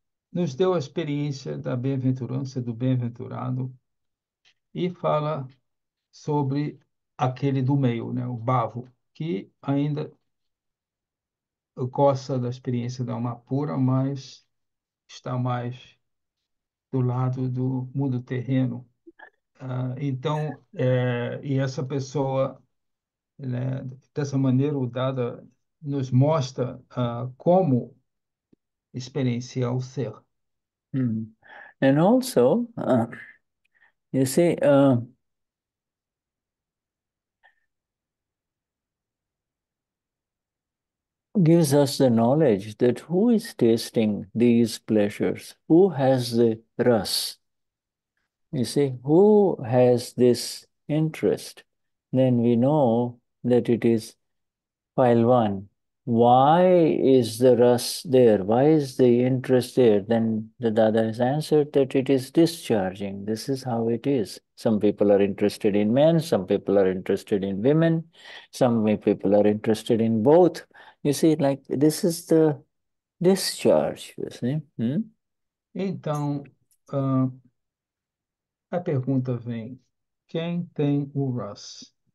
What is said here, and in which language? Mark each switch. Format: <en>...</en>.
<pt>nos deu a experiência da bem-aventurança, do bem-aventurado, e fala sobre aquele do meio, né, o bhavo, que ainda gosta da experiência da alma pura, mas está mais do lado do mundo terreno. Então, e essa pessoa, né, dessa maneira, o Dada nos mostra como experienciar o ser.</pt> <en>And also, you see, gives us the knowledge that who is tasting these pleasures, who has the ras, you see, who has this interest, then we know that it is file one. Why is the ras there? Why is the interest there? Then the Dada has answered that it is discharging. This is how it is. Some people are interested in men, some people are interested in women, some people are interested in both. You see, like this is the discharge, you see?</en> <pt>Então, a pergunta vem: quem tem o ras?</pt>